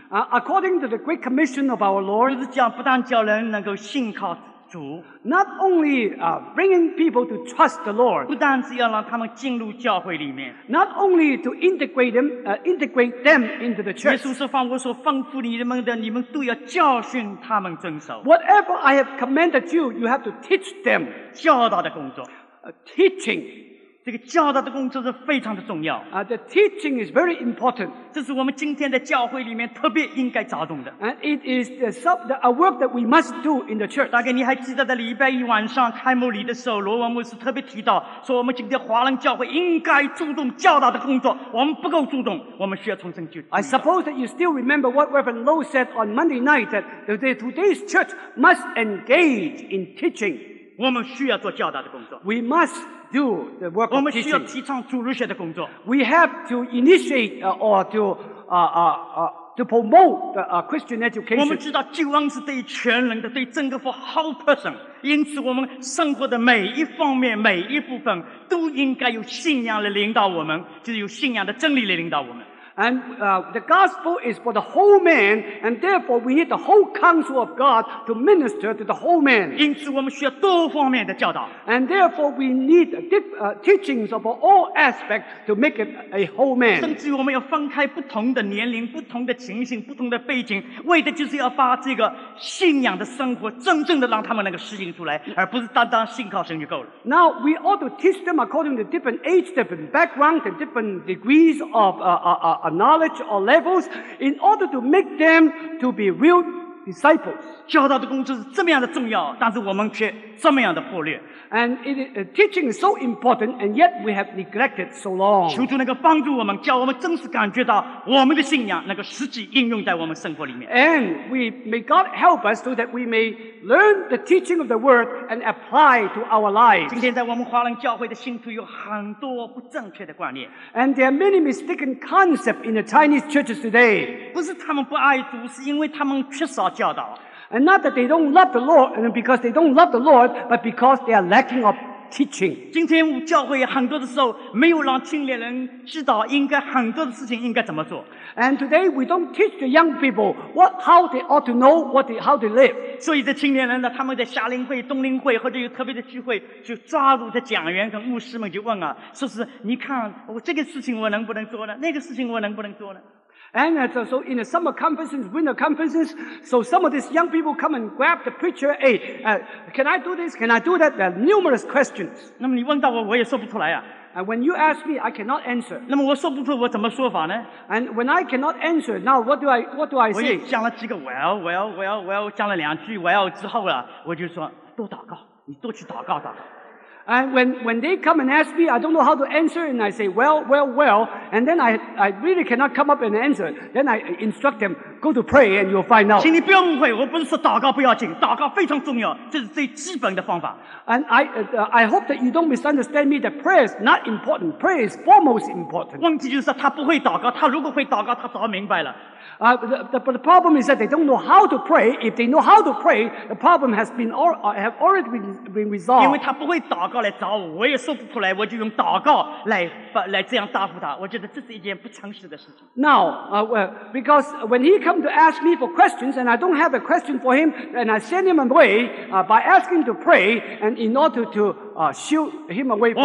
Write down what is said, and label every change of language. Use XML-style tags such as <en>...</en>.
<en>According to the great commission of our Lord,</en> <zh>就是讲不但叫人能够信靠主。</zh> <en>Not only bringing people to trust the Lord,</en> <zh>不但是要让他们进入教会里面,</zh> <en>not only to integrate them into the church.</en> <zh>耶稣说凡我所吩咐你们的，你们都要教训他们遵守。</zh> <en>Whatever I have commanded you, you have to teach them.</en> <zh>教导的工作。</zh> <en>Teaching.</en> <zh>这个教导的工作是非常的重要。</zh> <en>The teaching is very important.</en> <zh>这是我们今天的教会里面特别应该着重的。</zh> <en>And it is a work that we must do in the church.</en> <zh>大概你还记得在礼拜一晚上开幕礼的时候，罗文牧师特别提到，说我们今天华人教会应该注重教导的工作，我们不够注重，我们需要重新去。</zh> <en>I suppose that you still remember what Reverend Lowe said on Monday night, that today's church must engage in teaching.</en> <zh>我们需要做教导的工作。</zh> <en>We must do the work of teaching.</en> <zh>我们需要提倡主日学的工作。</zh> <en>We have to initiate or to to promote the Christian education.</en> <zh>我们知道救恩是对全人的，对整个</zh> <en>for whole person.</en> <zh>因此我们生活的每一方面每一部分都应该有信仰来领导我们，就是有信仰的真理来领导我们。</zh> <en>And the gospel is for the whole man, and therefore we need the whole counsel of God to minister to the whole man.</en> <zh>因此我们需要多方面的教导。</zh> <en>And therefore we need teachings of all aspects to make it a whole man.</en> <zh>甚至我们要分开不同的年龄、不同的情形、不同的背景，为的就是要把这个信仰的生活真正的让他们能够实行出来，而不是单单信靠神就够了。</zh> <en>Now we ought to teach them according to different age, different backgrounds, and different degrees of knowledge or levels in order to make them to be real disciples.</en> <zh>教导的工作是这么样的重要，但是我们却这么样的忽略。</zh> <en>And it is, teaching is so important, and yet we have neglected so long.</en> <zh>求主能够帮助我们，叫我们真实感觉到我们的信仰能够实际应用在我们生活里面。</zh> <en>And we, may God help us so that we may learn the teaching of the word and apply to our lives.</en> <zh>今天在我们华人教会的信徒有很多不正确的观念。</zh> <en>And there are many mistaken concepts in the Chinese churches today.</en> <zh>不是他们不爱读，是因为他们缺少教导。</zh> <en>And not that they don't love the Lord, and because they don't love the Lord, but because they are lacking of teaching.</en> <zh>今天教会很多的时候没有让青年人知道应该很多的事情应该怎么做。</zh> <en>And today we don't teach the young people how they ought to know how they live.</en> <zh>所以这青年人呢，他们在夏令会、冬令会或者有特别的聚会，就抓住这讲员跟牧师们就问啊，说是你看我这个事情我能不能做呢？那个事情我能不能做呢？</zh> <en>And so in the summer conferences, winter conferences, so some of these young people come and grab the preacher, hey, can I do this? Can I do that? There are numerous questions.</en> <zh>那么你问到我，我也说不出来啊。</zh> <en>And when you ask me, I cannot answer.</en> <zh>那么我说不出我怎么说法呢？</zh> <en>And when I cannot answer, now what do I say?</en> <zh>我也讲了几个 well, 讲了两句 well 之后啊，我就说多祷告，你多去祷告祷告。</zh> <en>And when they come and ask me, I don't know how to answer, and I say, well, and then I really cannot come up and answer. Then I instruct them, go to pray, and you'll find out.</en> <zh>请你不要误会，我不是说祷告不要紧，祷告非常重要，这是最基本的方法。</zh> <en>And I hope that you don't misunderstand me, that prayer is not important. Prayer is foremost important.</en> <zh>问题就是他不会祷告，他如果会祷告，他早明白了。</zh> <en>But the problem is that they don't know how to pray. If they know how to pray, the problem has been have already been resolved.</en> <zh>因为他不会祷告来找我，我也说不出来，我就用祷告来这样答复他。我觉得这是一件不诚实的事情。</zh> <en>Now, because when he comes to ask me for questions and I don't have a question for him, and I send him away by asking him to pray and in order to shoot him away from me.</en>